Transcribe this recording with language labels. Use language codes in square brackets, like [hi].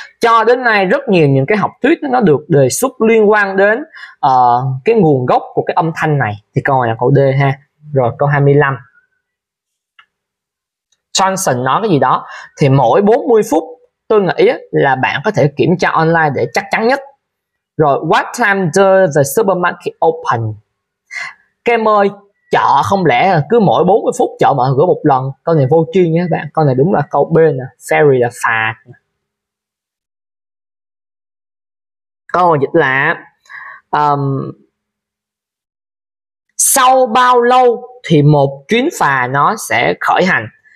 [vi] Cho đến nay rất nhiều những cái học thuyết nó được đề xuất liên quan đến cái nguồn gốc của cái âm thanh này. Thì câu này là câu D ha. Rồi câu 25. Johnson nói cái gì đó. Thì mỗi 40 phút tôi nghĩ là bạn có thể kiểm tra online để chắc chắn nhất. [en] Rồi what time does the supermarket open? [vi] Các em ơi, chợ không lẽ cứ mỗi 40 phút chợ mở cửa một lần? Câu này vô chuyên nha các bạn. Câu này đúng là câu B nè. Ferry là phà. Câu này dịch là sau bao lâu thì một chuyến phà nó sẽ khởi hành?